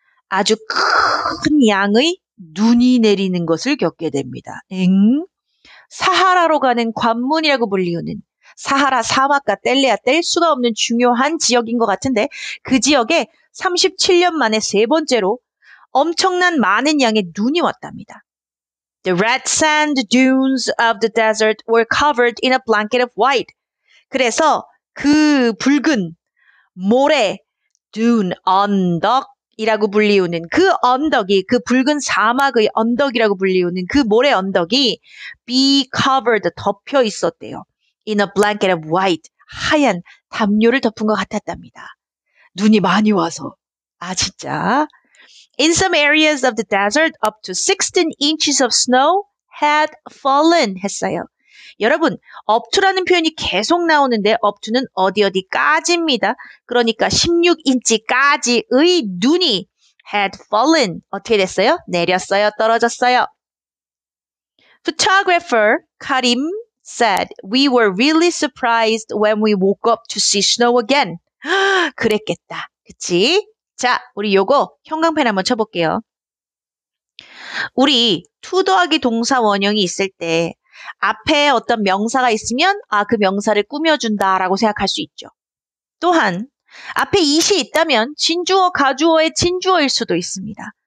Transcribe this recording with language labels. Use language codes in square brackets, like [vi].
[ko] 아주 큰 양의 눈이 내리는 것을 겪게 됩니다. 엥? 사하라로 가는 관문이라고 불리우는 사하라 사막과 뗄래야 뗄 수가 없는 중요한 지역인 것 같은데 그 지역에 37년 만에 세 번째로 엄청난 많은 양의 눈이 왔답니다. [en] The red sand dunes of the desert were covered in a blanket of white. [ko] 그래서 그 붉은 모래, dune, 언덕, 이라고 불리우는 그 언덕이 그 붉은 사막의 언덕이라고 불리우는 그 모래 언덕이 [en] be covered [ko] 덮여 있었대요. [en] In a blanket of white [ko] 하얀 담요를 덮은 것 같았답니다. 눈이 많이 와서 아 진짜 [en] In some areas of the desert up to 16 inches of snow had fallen [ko] 했어요. 여러분 up to라는 표현이 계속 나오는데 up to는 어디 어디까지입니다. 그러니까 16인치까지의 눈이 [en] had fallen [ko] 어떻게 됐어요? 내렸어요? 떨어졌어요? [en] Photographer Karim said we were really surprised when we woke up to see snow again. [ko] 그랬겠다. 그치? 자 우리 요거 형광펜 한번 쳐볼게요. 우리 투 더하기 동사 원형이 있을 때 앞에 어떤 명사가 있으면 아, 그 명사를 꾸며준다라고 생각할 수 있죠. 또한 앞에 이시 있다면 진주어, 가주어의 진주어일 수도 있습니다.